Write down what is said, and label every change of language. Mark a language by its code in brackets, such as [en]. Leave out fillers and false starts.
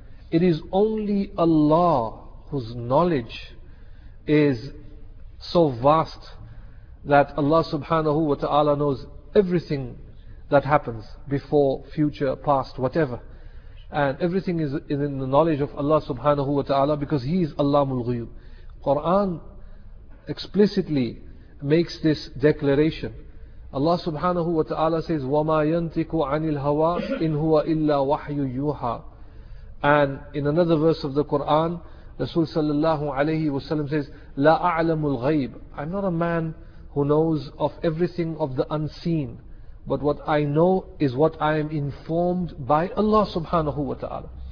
[en] It is only Allah whose knowledge is so vast that Allah subhanahu wa ta'ala knows everything that happens before, future, past, whatever. And everything is in the knowledge of Allah subhanahu wa ta'ala, because He is Allahul Ghuyub. Quran explicitly makes this declaration. Allah subhanahu wa ta'ala says, [ar] وَمَا يَنْتِكُ عَنِ الْهَوَىٰ إِنْ هُوَ إِلَّا وَحْيُ يُوحَىٰ. [en] And in another verse of the Quran, Rasul sallallahu alayhi wa sallam says, [ar] لَا أَعْلَمُ الْغَيْبِ. [en] I'm not a man who knows of everything of the unseen, but what I know is what I am informed by Allah subhanahu wa ta'ala.